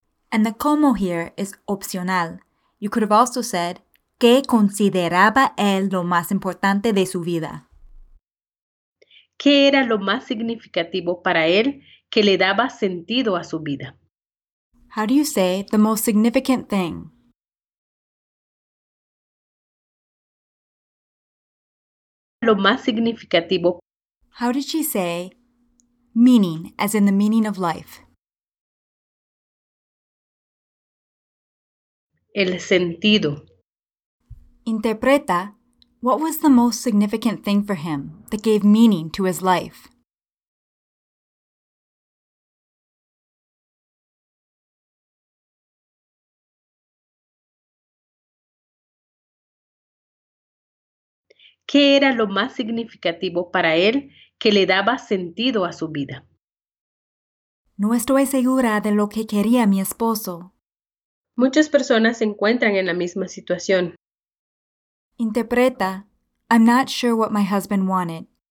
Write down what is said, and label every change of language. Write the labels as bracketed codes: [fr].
[en] And the como here is opcional. You could have also said, [es] ¿qué consideraba él lo más importante de su vida? ¿Qué era lo más significativo para él que le daba sentido a su vida? [en] How do you say the most significant thing? [es] Lo más significativo. [en] How did she say meaning, as in the meaning of life? [es] El sentido. Interpreta, [en] what was the most significant thing for him that gave meaning to his life? [es] ¿Qué era lo más significativo para él que le daba sentido a su vida? No estoy segura de lo que quería mi esposo. Muchas personas se encuentran en la misma situación. Interpreta, I'm not sure what my husband wanted.